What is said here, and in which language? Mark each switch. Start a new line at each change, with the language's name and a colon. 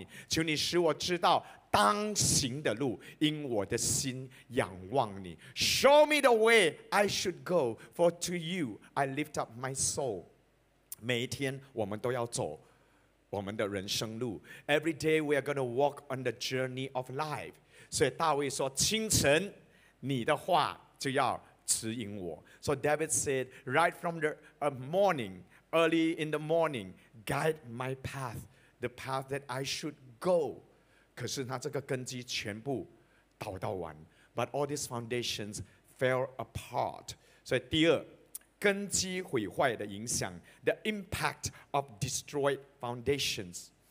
Chinese: 让我清晨得听你慈爱之言，你的话语早上就来到我身上，因我依靠你，求你使我知道 当行的路，因我的心仰望你。
English: Show me the way I should go, for to you I lift up my soul.
Chinese: 每一天我们都要走我们的人生路。
English: Every day we are going to walk on the journey of life.
Chinese: 所以大卫说，清晨你的话就要指引我.
English: So David said, right from the morning, early in the morning, guide my path, the path that I should go.
Chinese: 可是他这个根基全部倒到完.
English: But all these foundations fell apart.
Chinese: 所以第二,根基毁坏的影响,
English: the impact of destroyed foundations.